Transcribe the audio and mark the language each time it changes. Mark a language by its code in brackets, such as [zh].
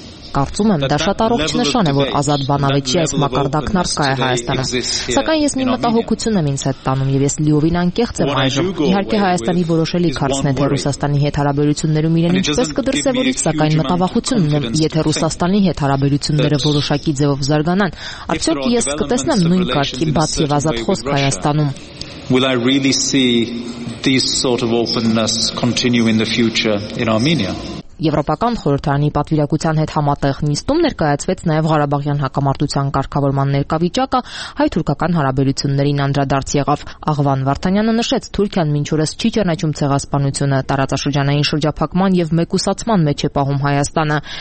[hy] Կարծում եմ, դա շատ առողջ նշան է, որ ազատ բանավեճի այս մակարդակն արկա է Հայաստանը։ Սակայն ես մի մտահոգություն եմ ինձ հետ տանում, եւ ես լիովին անկեղծ եմ այժմ։ Իհարկե Հայաստանի որոշելի քարտն է, թե Ռուսաստանի հետ հարաբերություններում իրեն ինչպես կդրսևորի, սակայն մտավախություն ունեմ, եթե Ռուսաստանի հետ հարաբերությունները որոշակի ձևով զարգանան, արդյոք ես կտեսնեմ նույն կարգի բաց եւ ազատ խոսք Հայաստանում։ [en] Will I really see this sort of openness continue in the future in Armenia? [hy] Եվրոպական խորհրդարանի պատվիրակության հետ համատեղ նիստում ներկայացվեց նաև Ղարաբաղյան հակամարտության կարգավորման ներկավիճակը, հայ-թուրքական հարաբերություններին անդրադարձ եղավ։ Աղվան Վարդանյանը նշեց, Թուրքիան մինչ օրս չի ճանաչում ցեղասպանությունը, տարածաշրջանային շրջափակման եւ մեկուսացման մեջ է պահում Հայաստանը։